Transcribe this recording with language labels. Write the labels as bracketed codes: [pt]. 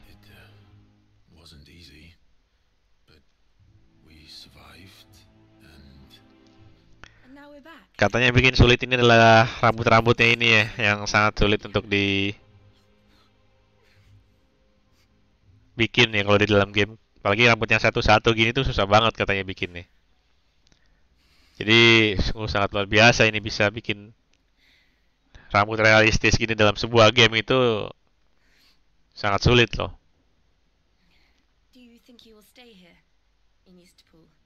[en] It wasn't easy, but we survived and now we're back. [id] Katanya yang bikin sulit ini adalah rambut-rambutnya ini ya, yang sangat sulit untuk di bikin ya kalau di dalam game. Apalagi rambutnya satu-satu gini tuh susah banget katanya bikin nih. Jadi sungguh sangat luar biasa ini bisa bikin rambut realistis gini dalam sebuah game itu sangat sulit loh. [en] Do you think you will stay here in Eastpool?